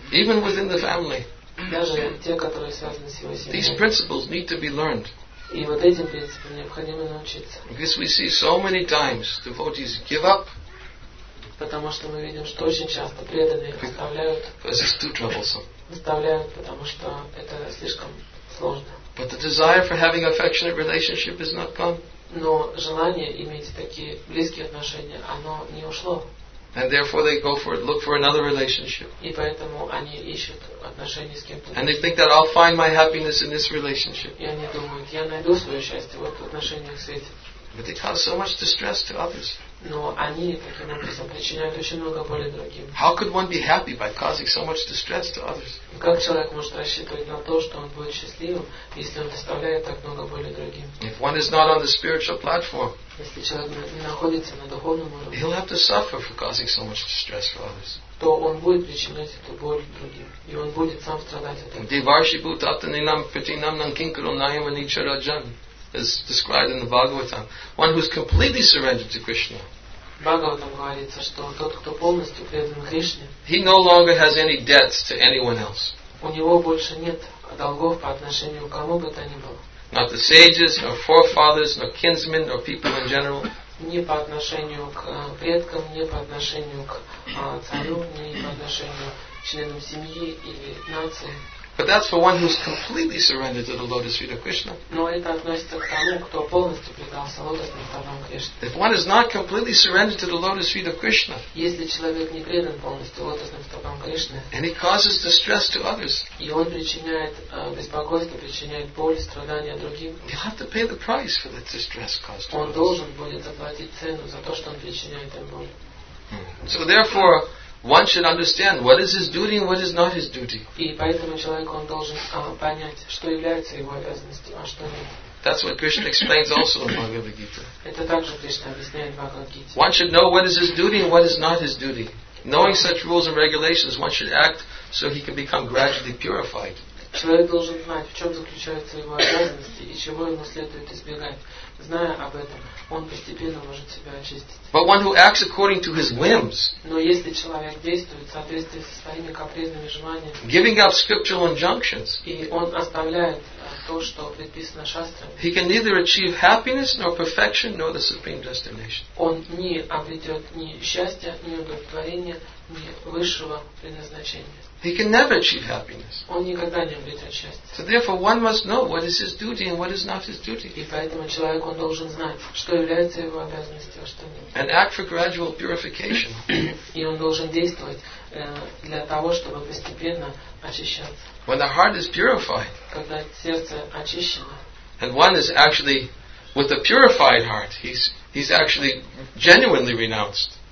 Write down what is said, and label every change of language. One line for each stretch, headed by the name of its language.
English: Even within the family.
Russian: Даже те, которые связаны с его семьей.
English: These principles need to be learned.
Russian: И вот этим принципам необходимо научиться.
English: Because we see so many times devotees give up.
Russian: Потому что мы видим, что очень часто преданные оставляют.
English: Because it's too troublesome.
Russian: Оставляют, потому что это слишком сложно.
English: But the desire for having affectionate relationship is not gone.
Russian: Но желание иметь такие близкие отношения, оно не ушло.
English: And therefore they go for it, look for another relationship.
Russian: И поэтому они ищут отношения с кем-то.
English: And they think that I'll find my happiness in this relationship.
Russian: И они думают, я найду свое счастье вот в отношениях с этим.
English: But they cause so much distress to others.
Russian: Но они таким образом причиняют очень много боли другим.
English: How could one be happy by causing so much distress to others?
Russian: Как человек может рассчитывать на то, что он будет счастливым, если он доставляет так много боли другим?
English: If one is not on the spiritual platform,
Russian: если человек не находится на духовном уровне,
English: he'll have to suffer for causing so much distress for others.
Russian: То он будет причинять эту боль другим, и он будет сам страдать от этого.
Sanskrit: Деварши бутатани нам патинам нанкинкару наима ничараджан.
English: Is described in the Bhagavatam. One who is completely surrendered to Krishna.
Russian: Bhagavatam говорится, что тот, кто полностью предан Кришне.
English: He no longer has any debts to anyone else.
Russian: У него больше нет долгов по отношению к кому бы то ни было.
English: Not the sages, nor forefathers, nor kinsmen, nor people in general.
Russian: Ни по отношению к предкам, ни по отношению к царю, ни по отношению к членам семьи или нации.
English: But that's for one who's completely surrendered to the lotus feet of Krishna.
Russian: Но это относится к тому, кто полностью предался лотосным стопам Кришны.
English: If one is not completely surrendered to the lotus feet of Krishna,
Russian: если человек не предан полностью лотосным стопам Кришны,
English: and he causes distress to others,
Russian: и он причиняет беспокойство, причиняет боль, страдания другим,
English: you have to pay the price for that distress caused.
Russian: Он должен будет заплатить цену за то, что он причиняет им боль.
English: So therefore, One should understand what is his duty and what is not his duty.
Russian: И поэтому человек он должен понять, что является его обязанностью, а что нет.
English: That's what Krishna explains also in Bhagavad Gita.
Russian: Это также Кришна объясняет в Бхагавад Гите.
English: One should know what is his duty and what is not his duty. Knowing such rules and regulations, one should act so he can become gradually purified.
Russian: Человек должен знать, в чем заключаются его обязанности и чего ему следует избегать. Зная об этом, он постепенно может себя очистить.
English: But one who acts according to his whims,
Russian: но если человек действует в соответствии со своими капризными желаниями,
English: giving up scriptural injunctions,
Russian: и он оставляет то, что предписано шастрами,
English: he can neither achieve happiness nor perfection nor the supreme destination.
Russian: Он не обретет ни счастья, ни удовлетворения, ни высшего предназначения.
English: He can never achieve happiness.
Russian: Он никогда не обретет счастья.
English: So therefore, one must know what is his duty and what is not his duty.
Russian: И поэтому человек он должен знать, что является его обязанностью, а что нет.
English: And act for gradual purification.
Russian: И он должен действовать для того, чтобы постепенно очищаться.
English: When the heart is purified,
Russian: когда сердце очищено,
English: and one is actually with a purified heart, he's actually genuinely renounced.